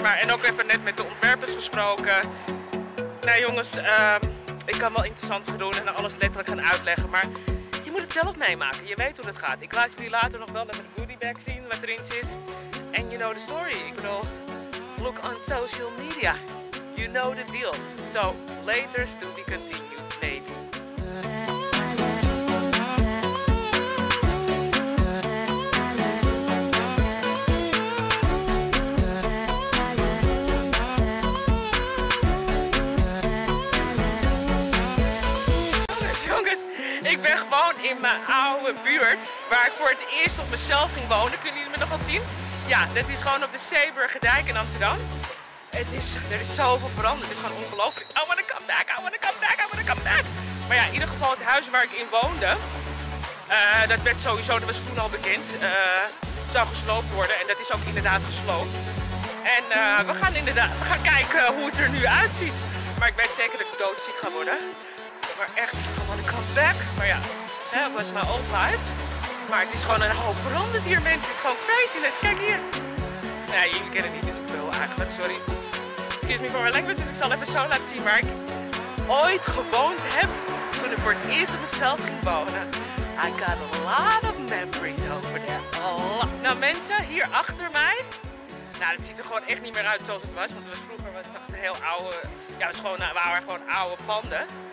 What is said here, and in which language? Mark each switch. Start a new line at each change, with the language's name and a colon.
Dutch: Maar, en ook even net met de ontwerpers gesproken. Nou jongens, ik kan wel interessant gaan doen en alles letterlijk gaan uitleggen. Maar je moet het zelf meemaken. Je weet hoe het gaat. Ik laat jullie later nog wel met een goodie bag zien wat erin zit. En
English: you know the story.
Dutch: Ik bedoel,
English: look on social media. You know the deal. So, later to be continued, baby.
Dutch: Jongens, jongens, ik ben gewoon in mijn oude buurt waar ik voor het eerst op mezelf ging wonen. Kunnen jullie me nog wat zien? Ja, dat is gewoon op de Zeeburgerdijk in Amsterdam. Er is zoveel veranderd. Het is gewoon ongelooflijk.
English: I wanna come back, I wanna come back, I wanna come back.
Dutch: Maar ja, in ieder geval het huis waar ik in woonde. Dat werd sowieso, dat was toen al bekend. Zou gesloopt worden en dat is ook inderdaad gesloopt. En we gaan kijken hoe het er nu uitziet. Maar ik weet zeker dat ik doodziek ga worden. Maar echt,
English: I wanna come back.
Dutch: Maar ja, dat was mijn
English: old life.
Dutch: Maar het is gewoon een hoop veranderd hier, mensen. Het is gewoon crazy. Kijk hier. Nee, jullie kennen het niet.
English: Sorry, excuse me for my language,
Dutch: dus ik zal even zo laten zien waar ik ooit gewoond heb toen ik voor het eerst op mezelf ging wonen.
English: I got a lot of memories over there.
Dutch: Nou mensen, hier achter mij, nou dat ziet er gewoon echt niet meer uit zoals het was, want het was vroeger was het een heel oude, ja het was gewoon, waren gewoon oude panden.